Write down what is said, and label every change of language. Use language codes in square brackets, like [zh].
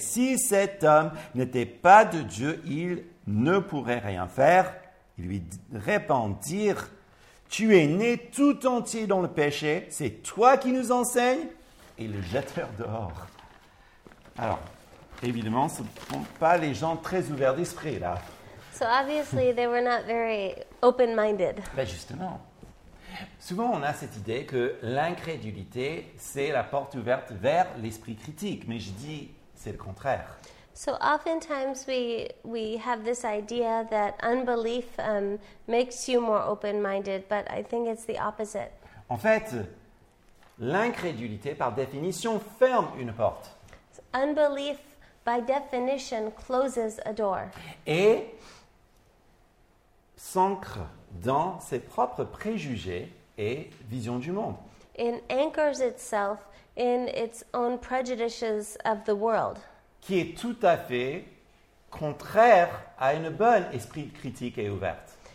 [fr] Si cet homme n'était pas de Dieu, il ne pourrait rien faire. » Ils lui répondirent, « Tu es né tout entier dans le péché, c'est toi qui nous enseignes. » Et le jetèrent dehors. Alors, évidemment, ce ne sont pas les gens très ouverts d'esprit, là. [en] So obviously they were not very open-minded. [fr] Ben justement. Souvent, on a cette idée que l'incrédulité, c'est la porte ouverte vers l'esprit critique. Mais je dis, c'est le contraire. [en] So oftentimes we have this idea that unbelief makes you more open-minded, but I think it's the opposite. [fr] En fait, l'incrédulité, par définition, ferme une porte. [en] So unbelief, by definition, closes a door. [fr] Et s'ancre dans ses propres préjugés et visions du monde. [en] It anchors itself in its own prejudices of the world. [fr] Qui est tout à fait contraire à une bonne esprit critique et ouverte.